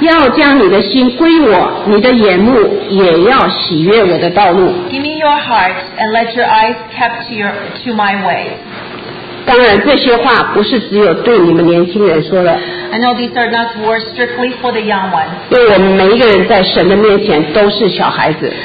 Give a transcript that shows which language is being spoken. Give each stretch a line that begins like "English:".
Chinese: 要将你的心归我，你的眼目也要喜悦我的道路。
English: Give me your heart and let your eyes kept to my way.
Chinese: 当然，这些话不是只有对你们年轻人说的。
English: I know these are not words strictly for the young ones.
Chinese: 对我们每一个人在神的面前都是小孩子。